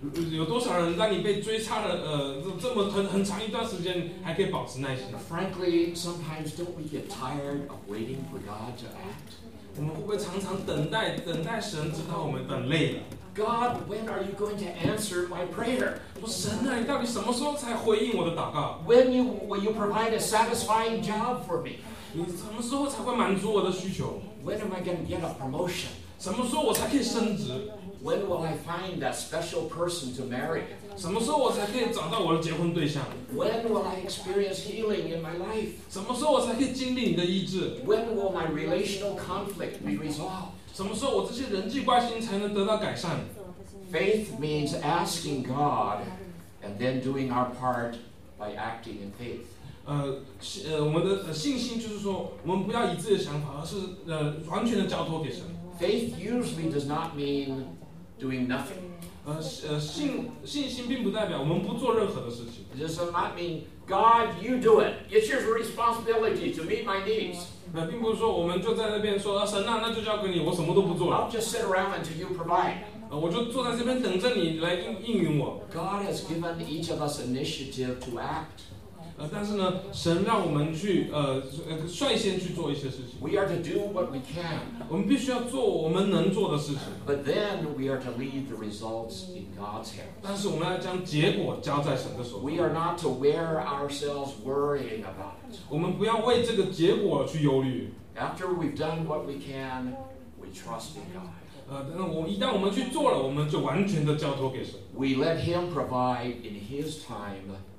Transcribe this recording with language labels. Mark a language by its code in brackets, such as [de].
[zh] 有多少人当你被追杀了这么很长一段时间还可以保持耐心？ [en] Frankly, sometimes don't we get tired of waiting for God to act? [zh] 我们会不会常常等待，等待神，直到我们等累了 [en] ？God, when are you going to answer my prayer? [zh] 我神啊，你到底什么时候才回应我的祷告 [en] ？When you will you provide a satisfying job for me? [zh] 你什么时候才会满足我的需求 [en] ？When am I going to get a promotion? [zh] 什么时候我才可以升职 [en] ？When will I find that special person to marry? [zh] 什么时候我才可以找到我的结婚对象 [en] ？When will I experience healing in my life? [zh] 什么时候我才可以经历你的医治 [en] ？When will my relational conflict be resolved? [zh] 什么时候我这些人际关系才能得到改善 [en] ？Faith means asking God and then doing our part by acting in faith. [zh] 我们的信心就是说，我们不要以自己的想法，而是完全的交托给神。 [en] Faith usually does not mean doing nothing. [zh] 信心并不代表我们不做任何的事情。 [en] It does not mean God, you do it. It's your responsibility to meet my needs. [zh] 并不是说我们就在那边说神啊，那就交给你，我什么都不做了。 [en] I'll just sit around until you provide. [zh] 我就坐在这边等着你来应允我。 [en] God has given each of us initiative to act. [zh] 但是呢，神让我们去率先去做一些事情。 [en] We are to do what we can. [zh] 我们必须要做我们能做的事情。 [en] But then we are to leave the results in God's hands. [zh] 但是我们要将结果交在神的手中。 [en] We are not to wear ourselves worrying about it. [zh] 我们不要为这个结果去忧虑。 [en] After we've done what we can, we trust in God. [zh] 一旦我们去做了，我们就完全的交托给神。 [en] We let Him provide in His time.